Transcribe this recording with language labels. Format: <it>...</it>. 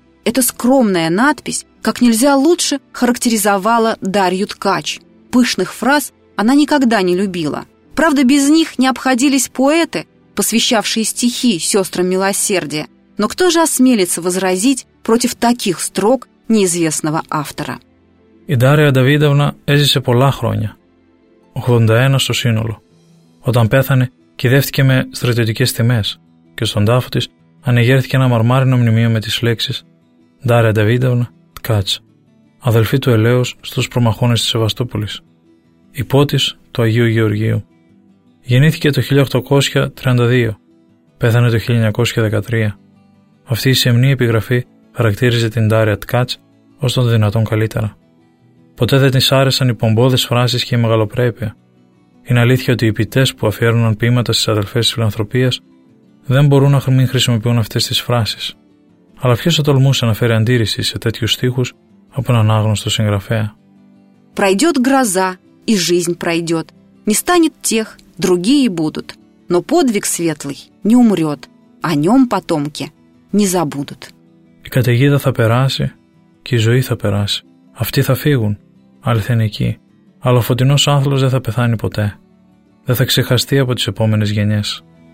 <ru>Эта скромная надпись как нельзя лучше характеризовала Дарью Ткач. Пышных фраз она никогда не любила. Правда, без них не обходились поэты, посвящавшие стихи сестрам милосердия. Но кто же осмелится возразить против таких строк неизвестного автора?</ru> <el>И Дарья Давидовна έζησε πολλά χρόνια, 81 στο σύνολο. Όταν πέθανε, κηδεύτηκε με στρατιωτικές τιμές και στον τάφο της ανεγέρθηκε ένα μαρμάρινο μνημείο με τις λέξεις Дарья Давидовна Ткач, αδελφή του Ελέους στους προμαχώνες της Σεβαστούπολης, υπότης του Αγίου Γεωργίου. Γεννήθηκε το 1832, πέθανε το 1913. Αυτή η σεμνή επιγραφή χαρακτήριζε την Δάρια Ткач ως τον δυνατόν καλύτερα. Ποτέ δεν της άρεσαν οι πομπόδες φράσεις και η μεγαλοπρέπεια. Είναι αλήθεια ότι οι ποιητές που αφιέρωναν ποίηματα στις αδελφές της φιλανθρωπίας δεν μπορούν να μην χρησιμοποιούν αυτές τις φράσεις. Αλλά ποιος θα τολμούσε να φέρει αντίρρηση σε τέτοιους στίχους από έναν άγνωστο συγγραφέα.</el> <ru>Пройдет гроза, и жизнь пройдет. Не станет тех, другие будут. Но подвиг светлый не умрет. О нем потомки не забудут.</ru> <el>Η καταιγίδα θα περάσει και η ζωή θα περάσει. Αυτοί θα φύγουν, άλλοι θα είναι εκεί. Αλλά ο φωτεινός άθλος δεν θα πεθάνει ποτέ. Δεν θα ξεχαστεί από τις επόμενες γενιές.</el>